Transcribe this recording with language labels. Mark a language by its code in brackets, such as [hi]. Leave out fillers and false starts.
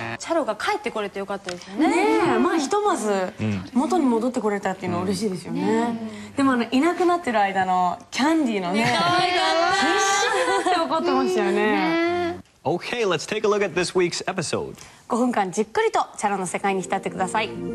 [ja] チャロが帰ってこれてよかったですよね。ねえ、まあひとまず元に戻ってこれたっていうのは嬉しいですよね。でもあのいなくなってる間のキャンディーのね、可愛かった。必死になって怒ってましたよね。 [en] Okay, let's take a look at this week's episode. [ja] 5分間じっくりとチャロの世界に浸ってください。